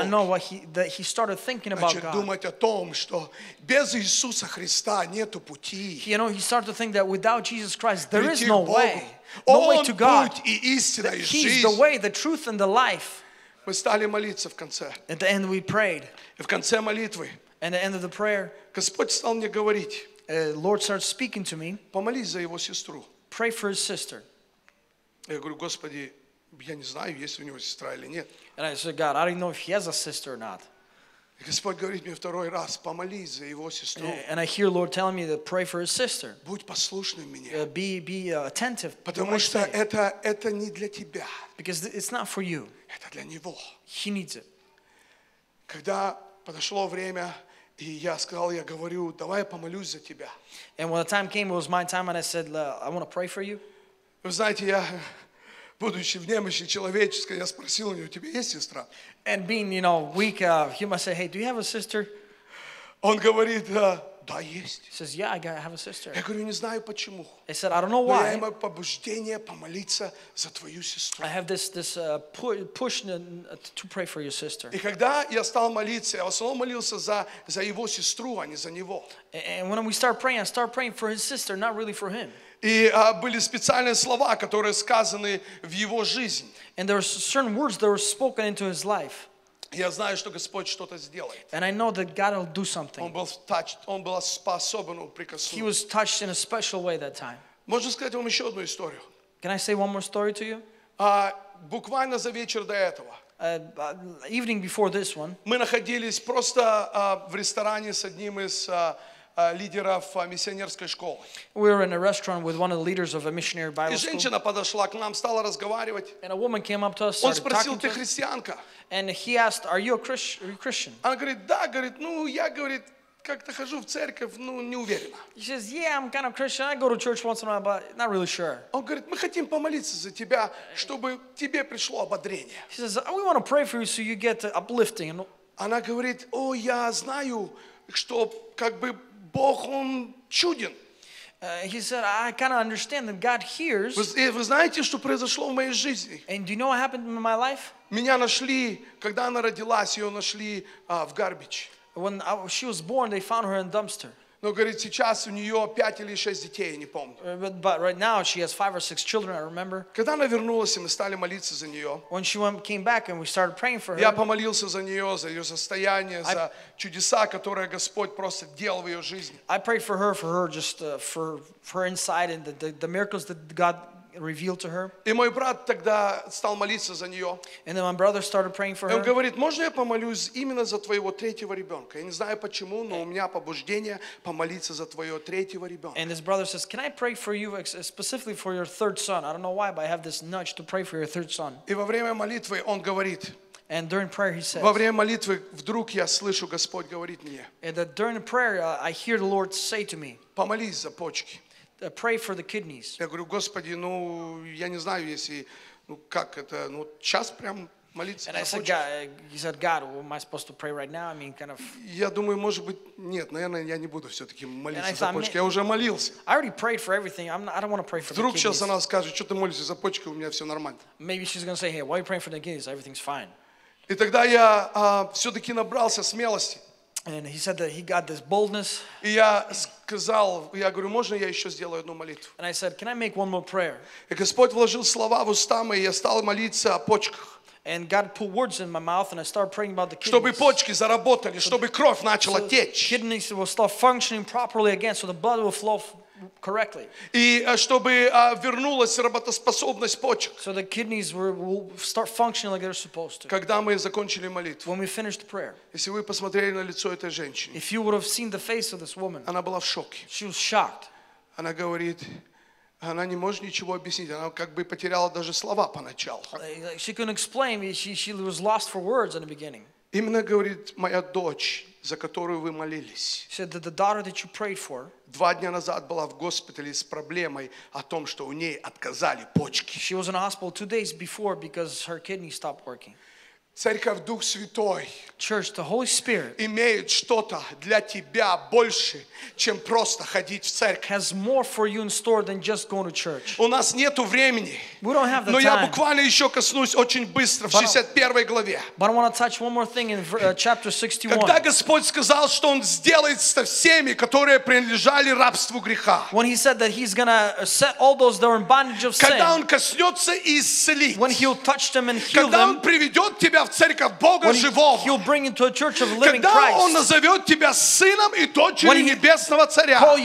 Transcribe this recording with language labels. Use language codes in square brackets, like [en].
[en] I know what he started thinking about God. [ru] Начал думать о том, что без Иисуса Христа нету пути. [en] You know, he started to think that without Jesus Christ, there is no way. No way to God. [ru] Он путь и истина, и жизнь. [en] He's the way, the truth, and the life. [ru] Мы стали молиться в конце. [en] At the end, we prayed. [ru] И в конце молитвы. [en] And the end of the prayer, [ru] Господь стал мне говорить. [en] Lord starts speaking to me. [ru] Помолись за его сестру. [en] Pray for his sister. [ru] Я говорю, Господи, я не знаю, есть у него сестра или нет. [en] And I said, God, I don't know if he has a sister or not. [ru] И Господь говорит мне второй раз, помолись за его сестру. [en] And I hear Lord telling me to pray for his sister. [ru] Будь послушным мне. [en] Be attentive. [ru] Потому что это не для тебя. [en] Because it's not for you. [ru] Это для него. [en] He needs it. [ru] Когда подошло время, и я сказал, я говорю, давай я помолюсь за тебя. [en] And when the time came, it was my time, and I said, I want to pray for you. [ru] Вы знаете, я, будучи в немощи человеческой, я спросил у него, у тебя есть сестра? [en] And being, you know, weak, he might say, hey, do you have a sister? [ru] Он говорит, да, есть. [en] He says, yeah, I have a sister. [ru] Я говорю, не знаю почему. [en] I said, I don't know why. [ru] Но я имею побуждение помолиться за твою сестру. [en] I have this push to pray for your sister. [ru] И когда я стал молиться, я в основном молился за его сестру, а не за него. [en] And when we start praying, I start praying for his sister, not really for him. [ru] И были специальные слова, которые сказаны в его жизнь. [en] And there were certain words that were spoken into his life. [ru] Я знаю, что Господь что-то сделает. [en] And I know that God will do something. [ru] Он был touched, он был способен прикоснуться. [en] He was touched in a special way that time. [ru] Можно сказать вам еще одну историю? [en] Can I say one more story to you? [ru] Буквально за вечер до этого. [en] Evening before this one. [ru] Мы находились просто в ресторане с одним из лидеров миссионерской школы. [en] We were in a restaurant with one of the leaders of a missionary Bible school. [ru] И женщина подошла к нам, стала разговаривать. [en] And a woman came up to us. [ru] Он спросил, ты христианка? [en] And he asked, "Are you a Christian? Are you Christian?" [ru] Она говорит, да, говорит, ну я, говорит, как-то хожу в церковь, ну не уверена. [en] He says, "Yeah, I'm kind of Christian. I go to church once in a while, but not really sure." [ru] Он говорит, мы хотим помолиться за тебя, чтобы тебе пришло ободрение. [en] He says, "We want to pray for you so you get uplifting." [ru] Она говорит, о, я знаю, что как бы Бог, он чуден. [en] He said, I kind of understand that God hears. [ru] Вы знаете, что произошло в моей жизни? [en] And do you know what happened in my life? [ru] Меня нашли, когда она родилась, ее нашли в garbage. [en] When she was born, they found her in a dumpster. [ru] Но говорит, сейчас у нее 5 или 6 детей, я не помню. [en] But right now she has 5 or 6 children, I remember. [ru] Когда она вернулась, и мы стали молиться за нее. [en] When she came back and we started praying for her. [ru] Я помолился за нее, за ее состояние, за чудеса, которые Господь просто делал в ее жизни. [en] I prayed for her, for her insight and the miracles that God revealed to her. [ru] И мой брат тогда стал молиться за нее. [en] And then my brother started praying for her. [ru] Он говорит, можно я помолюсь именно за твоего третьего ребенка? Я не знаю почему, но у меня побуждение помолиться за твоего третьего ребенка. [en] And his brother says, can I pray for you specifically for your third son? I don't know why, but I have this nudge to pray for your third son. [ru] И во время молитвы он говорит. [en] And during prayer he says. [ru] Во время молитвы вдруг я слышу Господь говорит мне. [en] And that during prayer I hear the Lord say to me. [ru] Помолись за почки. [en] Pray for the kidneys. [ru] Я говорю, Господи, ну я не знаю, если, ну как это, ну час прям молиться. [en] And I said, God, he said, God, what am I supposed to pray right now? I mean, kind of. [ru] Я думаю, может быть, нет, наверное, я не буду все-таки молиться за почки. Я уже молился. [en] I already prayed for everything. I don't want to pray for. [ru] Вдруг сейчас она скажет, что ты молишься за почки, у меня все нормально. [en] Maybe she's gonna say, hey, why are you praying for the kidneys? Everything's fine. [ru] И тогда я все-таки набрался смелости. [en] And he said that he got this boldness. [ru] И я сказал, я говорю, можно я еще сделаю одну молитву? [en] And I said, can I make one more prayer? [ru] И Господь вложил слова в уста мои, и я стал молиться о почках. [en] And God put words in my mouth, and I started praying about the kidneys. [ru] Чтобы почки заработали, чтобы кровь начала течь. [en] Kidneys will start functioning properly again, so the blood will flow correctly. [ru] И чтобы вернулась работоспособность почек. [en] So the kidneys will start functioning like they're supposed to. [ru] Когда мы закончили молитву. [en] When we finished prayer. [ru] Если вы посмотрели на лицо этой женщины. [en] If you would have seen the face of this woman. [ru] Она была в шоке. [en] She was shocked. [ru] Она говорит, она не может ничего объяснить. Она как бы потеряла даже слова поначалу. [en] She couldn't explain. She was lost for words in the beginning. [ru] Именно говорит моя дочь. За которую вы молились. [en] Said that the daughter that you prayed for. [ru] 2 дня назад была в госпитале с проблемой о том, что у ней отказали почки. [en] She was in the hospital 2 days before because her kidney stopped working. [ru] Церковь Дух Святой. [en] Church, the Holy Spirit. [ru] Имеет что-то для тебя больше, чем просто ходить в церковь. [en] Has more for you in store than just going to church. [ru] У нас нету времени. [en] We don't have the [ru] но [en] time. [ru] Но я буквально еще коснусь очень быстро в 61 главе. [en] But I want to touch one more thing in chapter 61. [ru] Когда Господь сказал, что Он сделает со всеми, которые принадлежали рабству греха. [en] When He said that He's gonna set all those that are in bondage of sin. [ru] Когда Он коснется и исцелит. [en] When He'll touch them and heal them. [ru] Когда Он приведет тебя в церковь Бога живого. Когда [en] Christ. [ru] Он назовет тебя сыном и дочерью небесного царя.